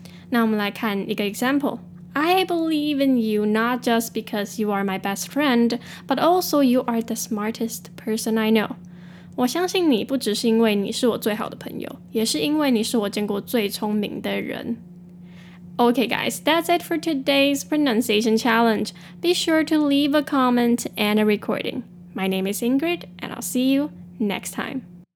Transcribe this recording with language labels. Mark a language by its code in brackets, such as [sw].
[zh] 那我们来看一个 [en] example， I believe in you not just because you are my best friend, but also you are the smartest person I know. [zh] 我相信你不只是因为你是我最好的朋友，也是因为你是我见过最聪明的人。 [en] Okay guys, that's it for today's pronunciation challenge. Be sure to leave a comment and a recording. My name is Ingrid, and I'll see you next time.